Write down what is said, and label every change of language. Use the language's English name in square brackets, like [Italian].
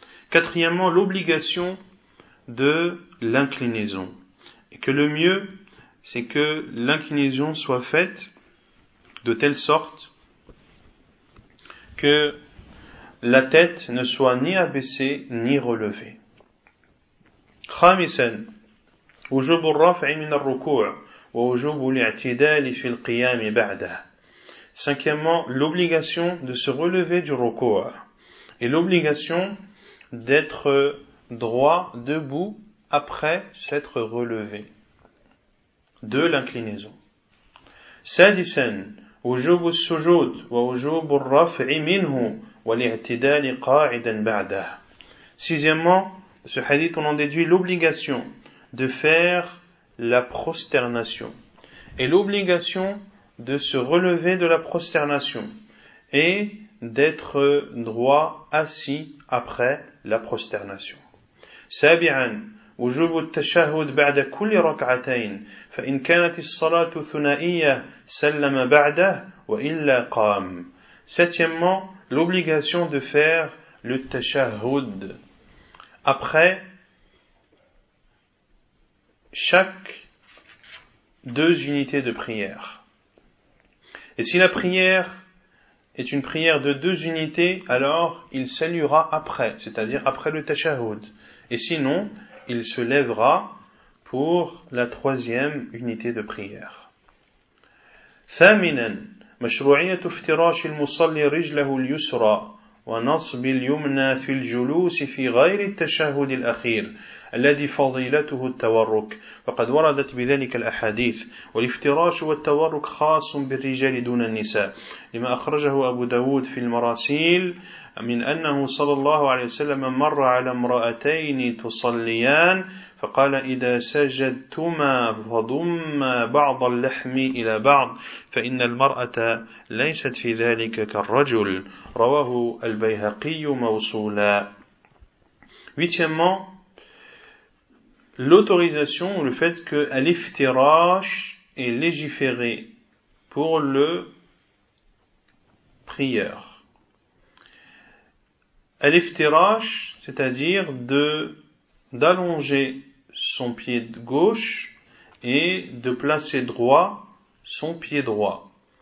[French] Quatrièmement, l'obligation de l'inclinaison. Et que le mieux c'est que l'inclinaison soit faite de telle sorte que la tête ne soit ni abaissée ni relevée. [Arabic] خامسا وجوب الرفع من الركوع ووجوب الاعتدال في القيام بعده. [French] Cinquièmement, l'obligation de se relever du ruku et l'obligation d'être droit debout après s'être relevé de l'inclinaison. [Arabic] سادسا وجوب السجود ووجوب الرفع منه والاعتدال قاعدا بعده. [French] Sixièmement, ce hadith, on en déduit l'obligation de faire la prosternation et l'obligation de se relever de la prosternation et d'être droit assis après la prosternation. [Arabic] سابعاً وجوب التشهد بعد كل ركعتين فإن كانت الصلاة ثنائية سلم بعده وإلا قام. [French] Septièmement, l'obligation de faire le tashahhud après chaque deux unités de prière. Et si la prière est une prière de deux unités, alors il saluera après, c'est-à-dire après le tashahhud. Et sinon, il se lèvera pour la troisième unité de prière. [Arabic] ثامنا مشروعية افتراش المصلي رجله اليسرى ونصب اليمنى في الجلوس في غير التشهد الأخير الذي فضيلته التورك، فقد وردت بذلك الأحاديث. والافتراش والتورك خاص بالرجال دون النساء، لما أخرجه أبو داود في المراسيل من أنه صلى الله عليه وسلم مر على امرأتين تصليان فقال إذا سجدتما فضم بعض اللحم إلى بعض فإن المرأة ليست في ذلك كالرجل. رواه البيهقي موصولا. [French] Huitièmement, l'autorisation, le fait que l'iftirash est légiféré pour le prieur. L'iftirash, c'est-à-dire d'allonger son pied gauche et de placer droit son pied droit.